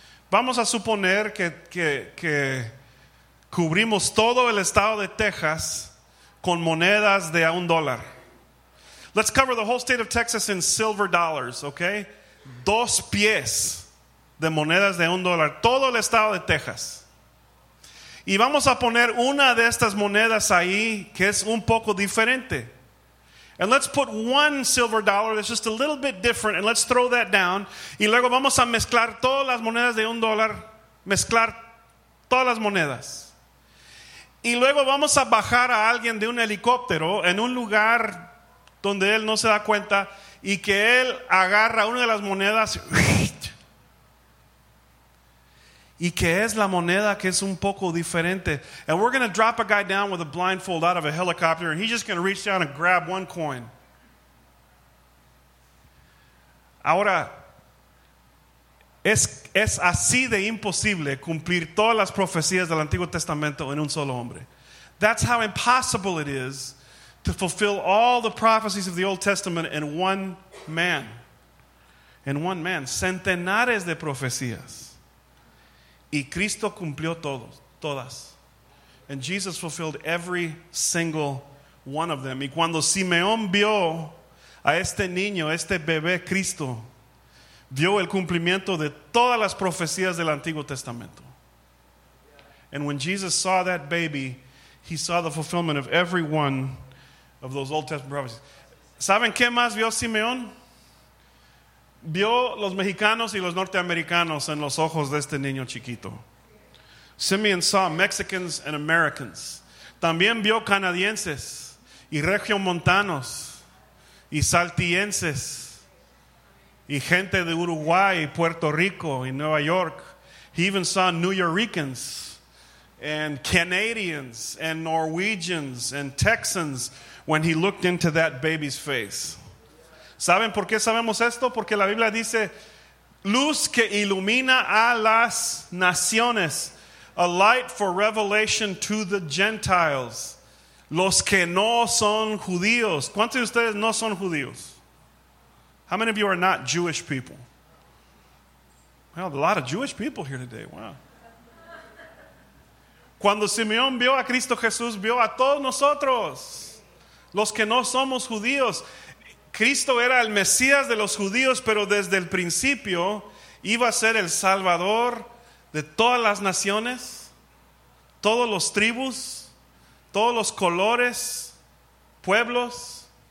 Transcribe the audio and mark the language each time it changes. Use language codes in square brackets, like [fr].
[es] Vamos a suponer que cubrimos todo el estado de Texas con monedas de un dólar. [en] Let's cover the whole state of Texas in silver dollars, okay? [es] Dos pies de monedas de un dólar, todo el estado de Texas. Y vamos a poner una de estas monedas ahí que es un poco diferente. [en] And let's put one silver dollar that's just a little bit different, and let's throw that down. [es] Y luego vamos a mezclar todas las monedas de un dólar, mezclar todas las monedas. Y luego vamos a bajar a alguien de un helicóptero en un lugar donde él no se da cuenta y que él agarra una de las monedas y que es la moneda que es un poco diferente. [en] And we're going to drop a guy down with a blindfold out of a helicopter, and he's just going to reach down and grab one coin. [es] Ahora, Es así de imposible cumplir todas las profecías del Antiguo Testamento en un solo hombre. [en] That's how impossible it is to fulfill all the prophecies of the Old Testament in one man. In one man. [es] Centenares de profecías. Y Cristo cumplió todos, todas. [en] And Jesus fulfilled every single one of them. [es] Y cuando Simeón vio a este niño, este bebé Cristo, vio el cumplimiento de todas las profecías del Antiguo Testamento. [en] And when Jesus saw that baby, he saw the fulfillment of every one of those Old Testament prophecies. [es] ¿Saben qué más vio Simeón? Vio los mexicanos y los norteamericanos en los ojos de este niño chiquito. [en] Simeón saw Mexicans and Americans. [es] También vio canadienses y regiomontanos y saltillenses y gente de Uruguay, Puerto Rico y Nueva York. [en] He even saw New Yorkers and Canadians and Norwegians and Texans when he looked into that baby's face. [es] ¿Saben por qué sabemos esto? Porque la Biblia dice, luz que ilumina a las naciones. [en] A light for revelation to the Gentiles. [es] Los que no son judíos. ¿Cuántos de ustedes no son judíos? [en] How many of you are not Jewish people? Well, a lot of Jewish people here today. Wow. [es] Cuando Simeón vio a Cristo Jesús, vio a todos nosotros. Los que no somos judíos. Cristo era el Mesías de los judíos, pero desde el principio iba a ser el Salvador de todas las naciones, todos los tribus, todos los colores, pueblos.